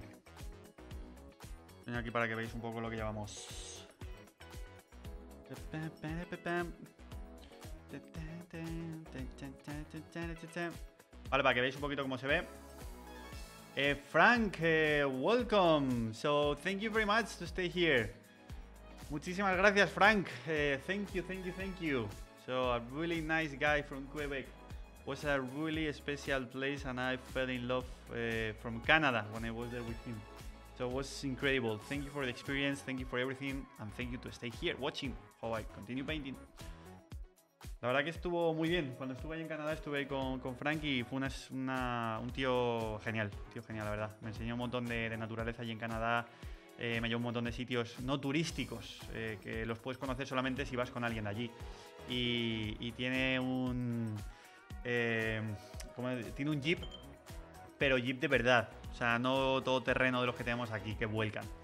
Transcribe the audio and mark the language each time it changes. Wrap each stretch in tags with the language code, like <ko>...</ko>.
<es>Lo enseño aquí para que veáis un poco lo que llevamos. Vale, para que veáis un poquito cómo se ve.</es> <en>Frank, welcome. So, thank you very much to stay here.</en> <es>Muchísimas gracias, Frank.</es> <en>Thank you. So, a really nice guy from Quebec. Was a really special place and I fell in love from Canada when I was there with him. So it was incredible. Thank you for the experience, thank you for everything, and thank you to stay here watching how I continue painting.</en> <es>La verdad que estuvo muy bien. Cuando estuve ahí en Canadá estuve con Frank y fue un tío genial. Tío genial, la verdad. Me enseñó un montón de naturaleza allí en Canadá. Me llevó un montón de sitios no turísticos, que los puedes conocer solamente si vas con alguien de allí. Y tiene un... tiene un Jeep, pero Jeep de verdad, o sea, no todoterreno de los que tenemos aquí, que vuelcan.</es>